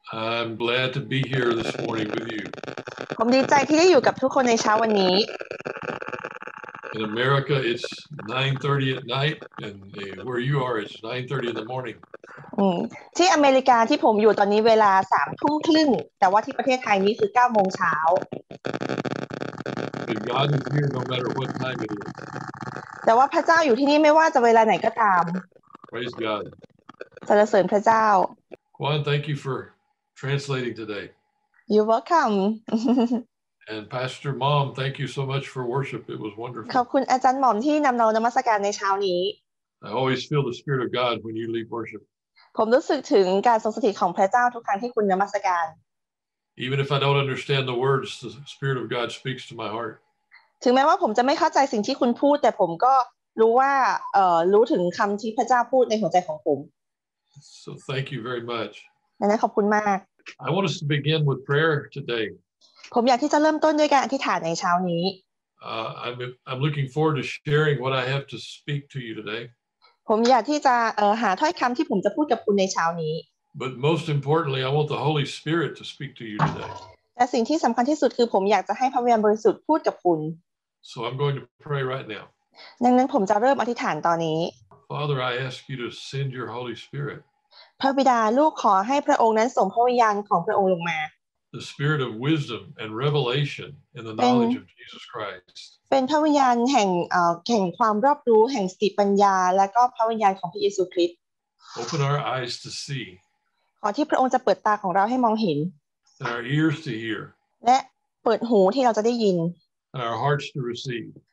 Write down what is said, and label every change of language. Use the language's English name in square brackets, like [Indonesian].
[English] I'm glad to be here this morning with you. [Thai] ผมดีใจที่ได้อยู่กับทุกคนในเช้าวันนี้ [English] In America, it's 9:30 at night, and where you are, it's 9:30 in the morning. [Thai] ที่อเมริกาที่ผมอยู่ตอนนี้เวลา 3:30 แต่ว่าที่ประเทศไทยนี้คือ 9:00 โมงเช้า [English] But God is here no matter what time it is. [Thai] แต่ว่าพระเจ้าอยู่ที่นี่ไม่ว่าจะเวลาไหนก็ตาม [English] Praise God [Thai] สรรเสริญพระเจ้า [English] Juan, thank you for translating today. You're welcome. And Pastor Mom, thank you so much for worship. It was wonderful. [Thai] ขอบคุณอาจารย์หมอมที่นำเรานมัสการในเช้านี้ [English] I always feel the spirit of God when you lead worship. [Thai] ผมรู้สึกถึงการทรงสถิตของพระเจ้าทุกครั้งที่คุณนมัสการ [English] Even if I don't understand the words, the spirit of God speaks to my heart. [Thai] ถึงแม้ว่าผมจะไม่เข้าใจสิ่งที่คุณพูดแต่ผมก็รู้ว่ารู้ถึงคำที่พระเจ้าพูดในหัวใจของผม [English] So thank you very much [Thai] นั่นขอบคุณมาก [English] I want us to begin with prayer today [Thai] ผมอยากที่จะเริ่มต้นด้วยการอธิษฐานในเช้านี้ [English] I'm looking forward to sharing what I have to speak to you today [Thai] ผมอยากที่จะหาถ้อยคำที่ผมจะพูดกับคุณในเช้านี้ [English] But most importantly I want the Holy Spirit to speak to you today [Thai] แต่สิ่งที่สำคัญที่สุดคือผมอยากจะให้พระวิญญาณบริสุทธิ์พูดกับคุณ [English] So I'm going to pray right now. [Thai] ดังนั้นผมจะเริ่มอธิษฐานตอนนี้ [English] Father, I ask you to send your Holy Spirit. [Thai] พระบิดาลูกขอให้พระองค์นั้นส่งพระวิญญาณของพระองค์ลงมา [English] The Spirit of wisdom and revelation in the knowledge of Jesus Christ. [Thai] เป็นพระวิญญาณแห่งความรอบรู้แห่งสติปัญญาและก็พระวิญญาณของพระเยซูคริสต์ [English] Open our eyes to see. [Thai] ขอที่พระองค์จะเปิดตาของเราให้มองเห็น [English] And our ears to hear. [Thai] และเปิดหูที่เราจะได้ยิน [English] And our hearts to receive.